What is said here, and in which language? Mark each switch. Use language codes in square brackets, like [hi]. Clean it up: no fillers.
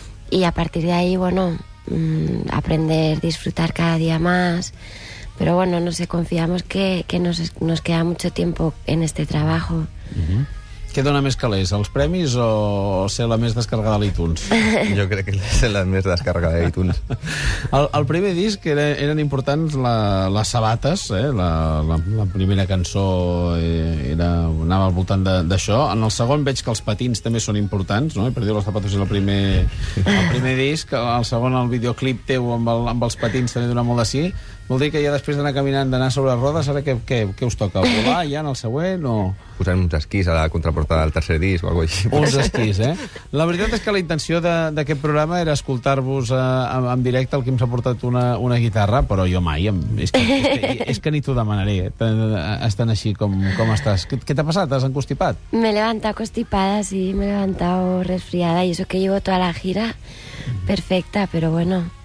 [es] Y a partir de ahí, bueno, aprender, disfrutar cada día más. Pero bueno, no sé, confiamos que nos queda mucho tiempo en este trabajo. [ca] ¿Qué dona més calés, els premis o ser la més descarregada a iTunes? Jo crec que ser la més descarregada a iTunes. El primer disc eren importants les sabates, la primera cançó anava al voltant d'això. En el segon veig que els patins també són importants, no? Per dir-ho, les sabates és el primer disc. El segon, el videoclip teu amb els patins també dona molt de sí. Vol dir que ja després d'anar caminant, d'anar sobre rodes, ara què us toca? Volar ja en el següent o...? Posant uns esquís a la contraportada del tercer disc o alguna cosa així. Uns esquís, eh? La veritat és que la intenció d'aquest programa era escoltar-vos en directe el que ens ha portat una guitarra, però jo mai. És que ni t'ho demanaré, estant així com estàs. Què t'ha passat? T'has encostipat? [es] Me he levantado constipada, sí. Me he levantado resfriada. Y eso que llevo toda la gira perfecta, pero bueno...